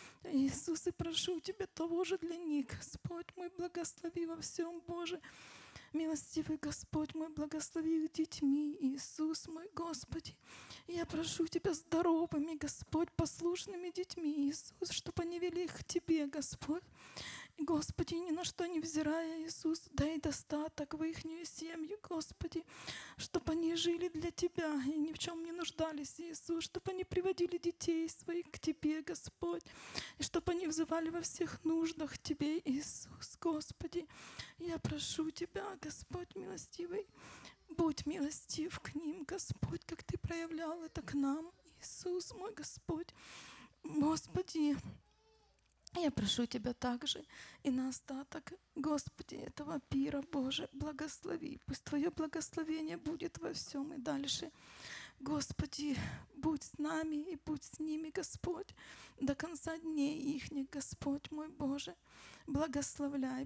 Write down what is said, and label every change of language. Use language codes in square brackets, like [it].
[ru] Иисус, и прошу Тебя того же для них, Господь мой, благослови во всем, Боже. Милостивый Господь мой, благослови их детьми, Иисус мой, Господи. Я прошу Тебя здоровыми, Господь, послушными детьми, Иисус, чтобы они вели их к Тебе, Господь. [uk] Господи, ні на що не взирає, Ісус, дай достаток в їхню сім'ю, Господи, щоб вони жили для Тебя і ні в чому не нуждалися, Ісус, щоб вони приводили дітей своїх к Тебе, Господь, і щоб вони [ru] взывали во [uk] всіх нуждах Тебе, Ісус, Господи, [ru] я прошу Тебя, Господь милостивый, будь милостив к ним, Господь, как Ты проявлял это к нам, [uk] Ісус мой, Господь, Господи. [ru] Я прошу Тебя также и на остаток, Господи, этого пира, Боже, благослови. Пусть Твое благословение будет во всем и дальше. Господи, будь с нами и будь с ними, Господь, до конца дней ихних, Господь мой, Боже, благословляй.